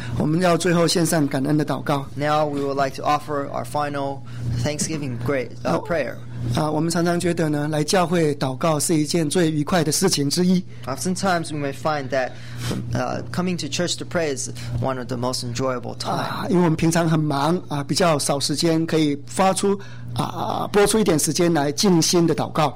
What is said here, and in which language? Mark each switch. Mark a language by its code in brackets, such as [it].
[zh] 我们要最后献上感恩的祷告。 [en] Now we would like to offer our final Thanksgiving prayer. [zh] 我们常常觉得呢, 来教会祷告是一件最愉快的事情之一。 [en] Oftentimes we may find that coming to church to pray is one of the most enjoyable times. [zh] 因为我们平常很忙, 比较少时间可以发出 播出一点时间来静心的祷告。